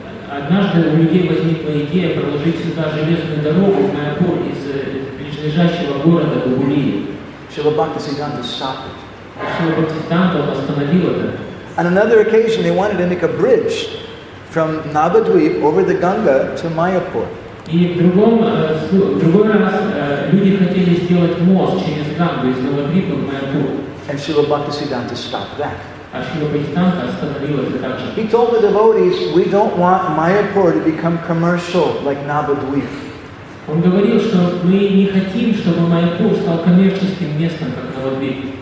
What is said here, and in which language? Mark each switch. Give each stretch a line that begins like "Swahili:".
Russian: Однажды у людей возникла идея проложить сюда железную дорогу в Майапур из ближайшего города Дубалия.
English: Шрила Бхактисиддханта stopped it.
Russian: Шрила Бхактисиддханта остановил это.
English: On another occasion, they wanted to make a bridge from Navadvip over the Ganga to Mayapur. And Srila Bhaktisiddhanta stopped that. He told the devotees, we don't want Mayapur to become commercial like Navadvip.
Russian: Он говорил, что мы не хотим, чтобы Майапур стал коммерческим местом, как Навадвип.